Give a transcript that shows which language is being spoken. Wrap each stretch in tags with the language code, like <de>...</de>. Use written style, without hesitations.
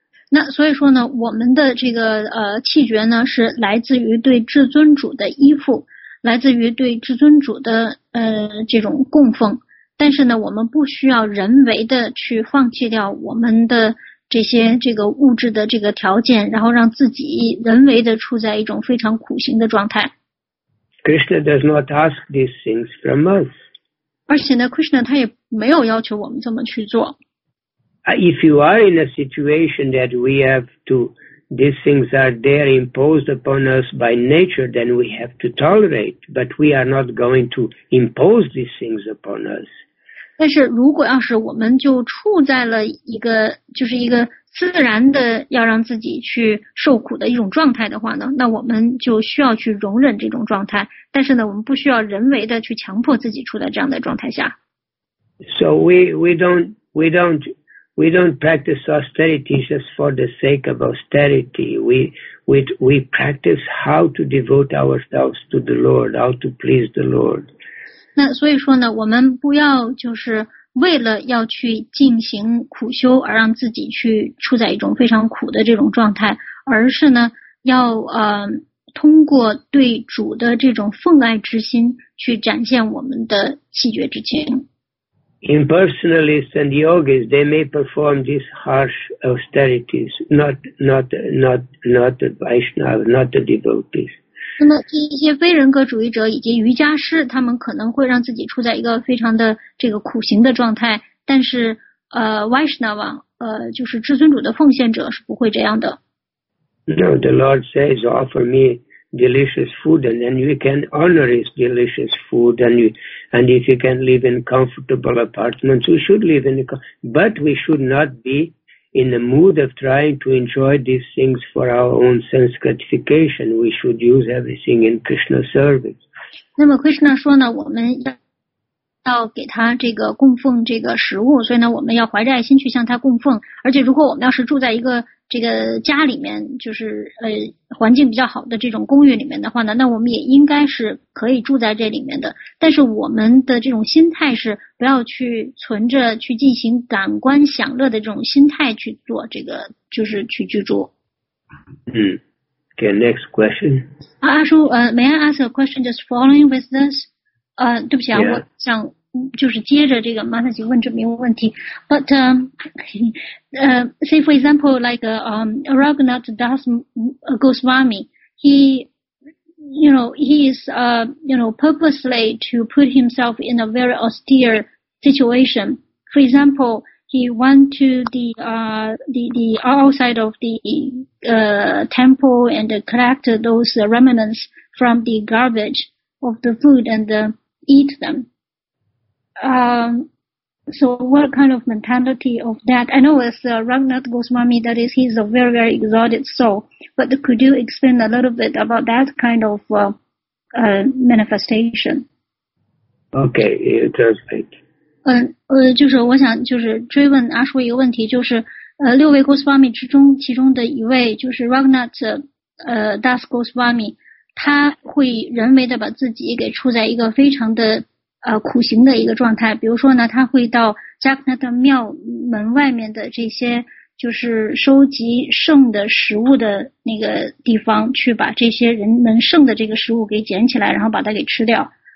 <zh>那所以说呢，我们的这个气绝呢，是来自于对至尊主的依附，来自于对至尊主的这种供奉。但是呢，我们不需要人为的去放弃掉我们的这些这个物质的这个条件，然后让自己人为的处在一种非常苦行的状态。</zh> <en>Krishna does not ask these things from us.</en> <zh>而且呢 Krishna 他也没有要求我们这么去做。</zh> <en>If you are in a situation that we have to, these things are there imposed upon us by nature, then we have to tolerate, but we are not going to impose these things upon us.</en> <zh>但是如果要是我们就处在了一个就是一个自然的要让自己去受苦的一种状态的话呢，那我们就需要去容忍这种状态，但是呢我们不需要人为的去强迫自己处在这样的状态下。</zh> <en>So we don't practice austerity just for the sake of austerity. We practice how to devote ourselves to the Lord, how to please the Lord.</en> <zh>那所以说呢，我们不要就是为了要去进行苦修而让自己去处在一种非常苦的这种状态，而是呢要通过对主的这种奉爱之心去展现我们的弃绝之情。</zh> <en>Impersonalists and yogis, they may perform these harsh austerities, not the Vaishnava, not the devotees.</en> <zh>那么一些非人格主义者以及瑜伽师，他们可能会让自己处在一个非常的这个苦行的状态，但是Vaishnava, 就是至尊主的奉献者是不会这样的。</zh> <en>No, the Lord says, offer me delicious food, and then you can honor his delicious food, and if you can live in comfortable apartments, we should live in but we should not be in the mood of trying to enjoy these things for our own sense gratification. We should use everything in Krishna's service.</en> <zh>那么 Krishna 说呢，我们要给他这个供奉这个食物，所以呢，我们要怀着爱心去向他供奉。而且如果我们要是住在一个这个家里面，就是环境比较好的这种公寓里面的话呢，那我们也应该是可以住在这里面的。但是我们的这种心态是不要去存着去进行感官享乐的这种心态去做这个，就是去居住。</zh> <en>Okay, next question. 阿叔，May I ask a question just following with this?</en> <zh>对不起啊，</zh> <en>yeah.</en> <zh>我想就是接着这个 Mataji 问这么一个问题。</zh> <en>But, say for example, like, Raghunath Das Goswami, he is purposely to put himself in a very austere situation. For example, he went to the outside of the temple and collected those remnants from the garbage of the food and eat them. So what kind of mentality of that? I know it's Raghunath Goswami, that is, he's a very, very exalted soul. But could you explain a little bit about that kind of manifestation? Okay, you translate.</en> <zh>就是我想就是追问阿叔一个问题，就是六位 Goswami 之中其中的一位，就是 Raghunath Das Goswami, 他会人为的把自己给处在一个非常的苦行的一个状态，比如说呢，他会到加克纳的庙门外面的这些就是收集剩的食物的那个地方，去把这些人们剩的这个食物给捡起来，然后把它给吃掉。</zh>